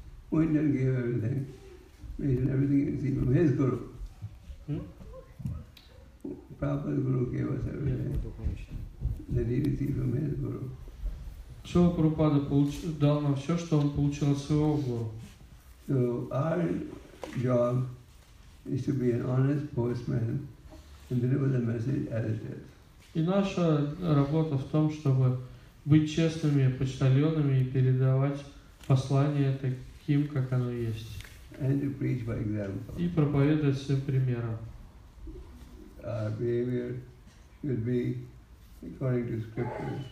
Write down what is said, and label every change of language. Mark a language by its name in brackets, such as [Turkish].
[English] We didn't give everything. We did everything easy from his guru. Prabhupada's guru gave us everything. That he received from his guru. [Russian] Чего Прабхупада дал нам все, что он получил от своего гуру? [English] So our job is to be an honest postman and deliver the message as it is. [Russian] И наша работа в том, чтобы быть честными почтальонами и передавать послание таким, как оно есть. [English] And to preach by example. [Russian] И проповедовать всем примером. [English] Our behavior should be according to scripture.